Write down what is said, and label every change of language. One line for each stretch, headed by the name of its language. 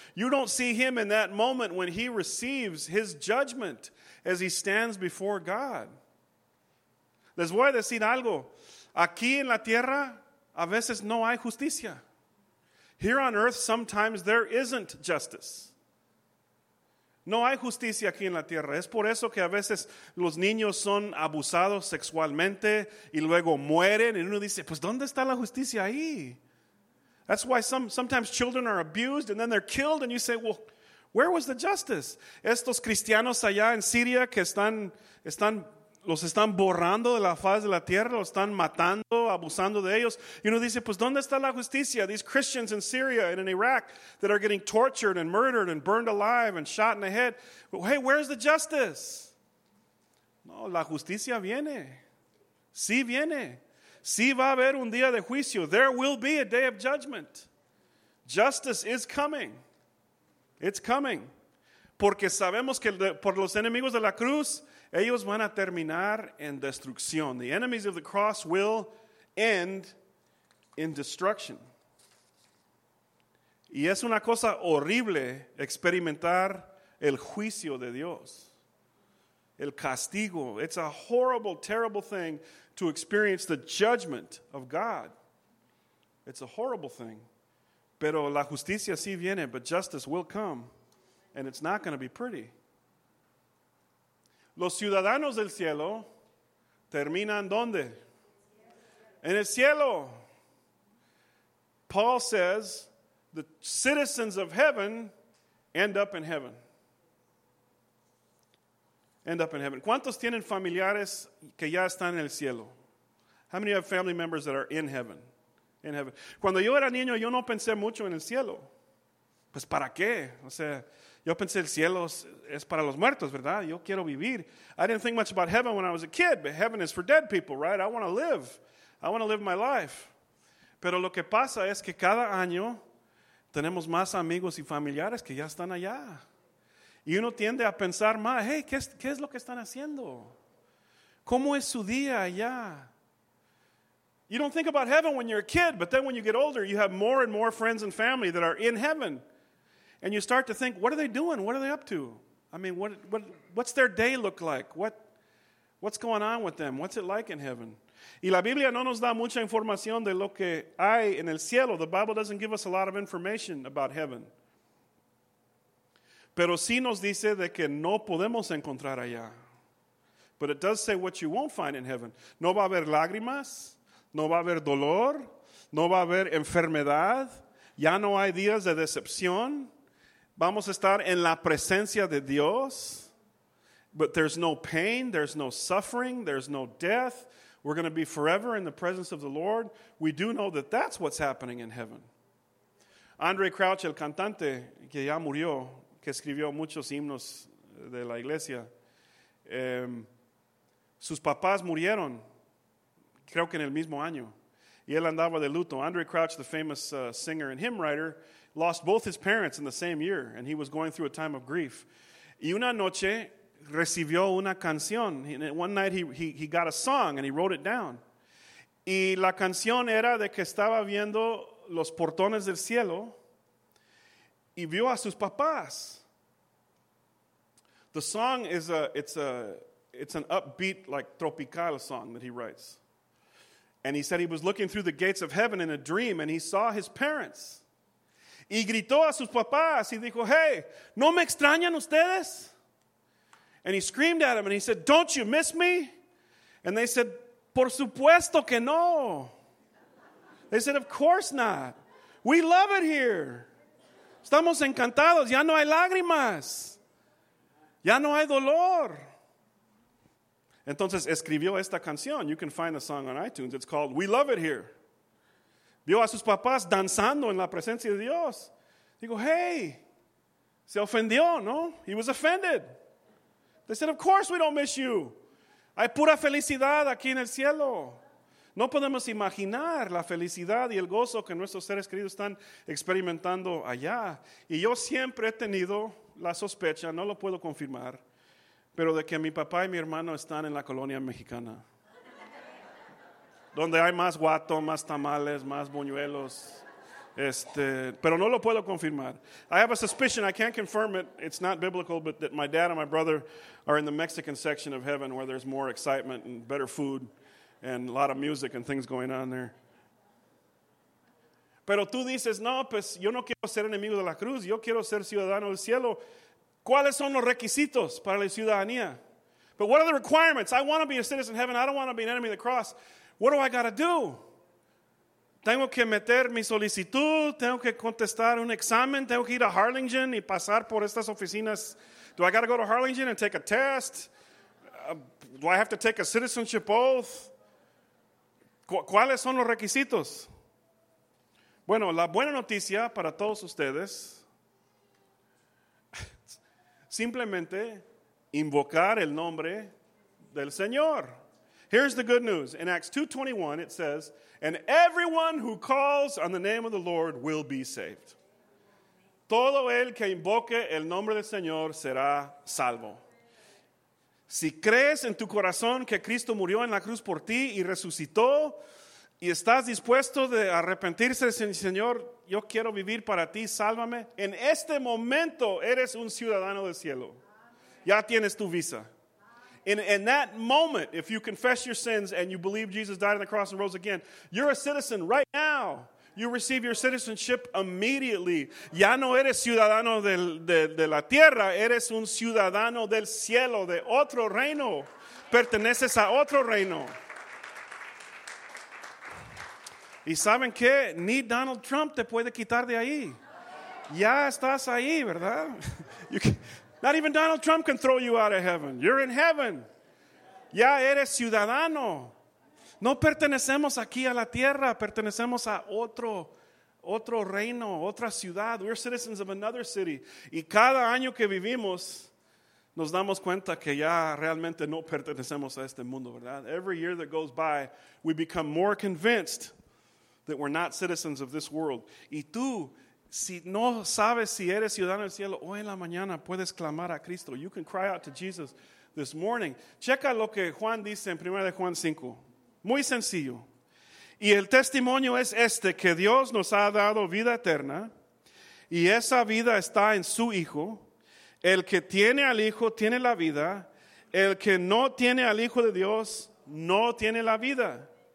English: You don't see him in that moment when he receives his judgment as he stands before God.
Spanish: Les voy a decir algo. Aquí en la tierra, a veces no hay justicia.
English: Here on earth, sometimes there isn't justice.
Spanish: No hay justicia aquí en la tierra. Es por eso que a veces los niños son abusados sexualmente y luego mueren. Y uno dice, pues, ¿dónde está la justicia ahí?
English: That's why sometimes children are abused and then they're killed. And you say, well, where was the justice?
Spanish: Estos cristianos allá en Siria que los están borrando de la faz de la tierra, los están matando, abusando de ellos. Y uno dice, pues, ¿dónde está la justicia?
English: These Christians in Syria and in Iraq that are getting tortured and murdered and burned alive and shot in the head. But, hey, where's the justice?
Spanish: No, la justicia viene. Sí viene. Sí va a haber un día de juicio.
English: There will be a day of judgment. Justice is coming. It's coming.
Spanish: Porque sabemos que por los enemigos de la cruz, ellos van a terminar en destrucción.
English: The enemies of the cross will end in destruction.
Spanish: Y es una cosa horrible experimentar el juicio de Dios. El castigo.
English: It's a horrible, terrible thing to experience the judgment of God. It's a horrible thing.
Spanish: Pero la justicia sí viene,
English: but justice will come. And it's not going to be pretty.
Spanish: Los ciudadanos del cielo terminan ¿dónde? En el cielo.
English: Paul says, the citizens of heaven end up in heaven. End up in heaven.
Spanish: ¿Cuántos tienen familiares que ya están en el cielo?
English: How many have family members that are in heaven? In heaven.
Spanish: Cuando yo era niño, yo no pensé mucho en el cielo. Pues, ¿para qué? O sea, yo pensé, el cielo es para los muertos, ¿verdad? Yo quiero vivir.
English: I didn't think much about heaven when I was a kid, but heaven is for dead people, right? I want to live. I want to live my life.
Spanish: Pero lo que pasa es que cada año tenemos más amigos y familiares que ya están allá. Y uno tiende a pensar más, hey, ¿qué es lo que están haciendo? ¿Cómo es su día allá?
English: You don't think about heaven when you're a kid, but then when you get older, you have more and more friends and family that are in heaven. And you start to think, what are they doing? What are they up to? I mean, what's their day look like? What's going on with them? What's it like in heaven?
Spanish: Y la Biblia no nos da mucha información de lo que hay en el cielo.
English: The Bible doesn't give us a lot of information about heaven.
Spanish: Pero sí nos dice de que no podemos encontrar allá.
English: But it does say what you won't find in heaven.
Spanish: No va a haber lágrimas. No va a haber dolor. No va a haber enfermedad. Ya no hay días de decepción. Vamos a estar en la presencia de Dios,
English: but there's no pain, there's no suffering, there's no death. We're going to be forever in the presence of the Lord. We do know that that's what's happening in heaven.
Spanish: Andre Crouch, el cantante, que ya murió, que escribió muchos himnos de la iglesia, sus papás murieron, creo que en el mismo año, y él andaba de luto.
English: Andre Crouch, the famous singer and hymn writer, lost both his parents in the same year, and he was going through a time of grief.
Spanish: Y una noche recibió una canción.
English: One night he got a song, and he wrote it down.
Spanish: Y la canción era de que estaba viendo los portones del cielo, y vio a sus papás.
English: The song is it's an upbeat, like, tropical song that he writes. And he said he was looking through the gates of heaven in a dream, and he saw his parents.
Spanish: Y gritó a sus papás y dijo, hey, ¿no me extrañan ustedes?
English: And he screamed at them and he said, don't you miss me? And they said,
Spanish: por supuesto que no.
English: They said, of course not. We love it here.
Spanish: Estamos encantados, ya no hay lágrimas, ya no hay dolor. Entonces escribió esta canción.
English: You can find the song on iTunes. It's called We Love It Here.
Spanish: Vio a sus papás danzando en la presencia de Dios. Digo, hey, se ofendió, ¿no?
English: He was offended. They said, of course we don't miss you.
Spanish: Hay pura felicidad aquí en el cielo. No podemos imaginar la felicidad y el gozo que nuestros seres queridos están experimentando allá. Y yo siempre he tenido la sospecha, no lo puedo confirmar, pero de que mi papá y mi hermano están en la colonia mexicana, donde hay más guato, más tamales, más buñuelos. Pero no lo puedo confirmar.
English: I have a suspicion, I can't confirm it, it's not biblical, but that my dad and my brother are in the Mexican section of heaven where there's more excitement and better food and a lot of music and things going on there.
Spanish: Pero tú dices, no, pues yo no quiero ser enemigo de la cruz, yo quiero ser ciudadano del cielo. ¿Cuáles son los requisitos para la ciudadanía?
English: But what are the requirements? I want to be a citizen in heaven, I don't want to be an enemy of the cross. What do I got to do?
Spanish: Tengo que meter mi solicitud, tengo que contestar un examen, tengo que ir a Harlingen y pasar por estas oficinas.
English: Do I got to go to Harlingen and take a test? Do I have to take a citizenship oath?
Spanish: ¿Cuáles son los requisitos? Bueno, la buena noticia para todos ustedes, simplemente invocar el nombre del Señor.
English: Here's the good news. In Acts 2:21, it says, and everyone who calls on the name of the Lord will be saved.
Spanish: Todo el que invoque el nombre del Señor será salvo. Si crees en tu corazón que Cristo murió en la cruz por ti y resucitó, y estás dispuesto de arrepentirse, Señor, yo quiero vivir para ti, sálvame. En este momento eres un ciudadano del cielo. Ya tienes tu visa.
English: In that moment, if you confess your sins and you believe Jesus died on the cross and rose again, you're a citizen right now. You receive your citizenship immediately.
Spanish: Ya no eres ciudadano de la tierra, eres un ciudadano del cielo, de otro reino. Perteneces a otro reino. ¿Y saben qué? Ni Donald Trump te puede quitar de ahí. Ya estás ahí, ¿verdad?
English: Not even Donald Trump can throw you out of heaven. You're in heaven.
Spanish: Ya eres ciudadano. No pertenecemos aquí a la tierra. Pertenecemos a otro reino, otra ciudad.
English: We're citizens of another city.
Spanish: Y cada año que vivimos, nos damos cuenta que ya realmente no pertenecemos a este mundo, ¿verdad?
English: Every year that goes by, we become more convinced that we're not citizens of this world.
Spanish: Y tú, si no sabes si eres ciudadano del cielo, hoy en la mañana puedes clamar a Cristo.
English: You can cry out to Jesus this morning.
Spanish: Checa lo que Juan dice en 1 Juan 5. Muy sencillo. Y el testimonio es este, que Dios nos ha dado vida eterna, y esa vida está en su Hijo. El que tiene al Hijo tiene la vida. El que no tiene al Hijo de Dios no tiene la vida.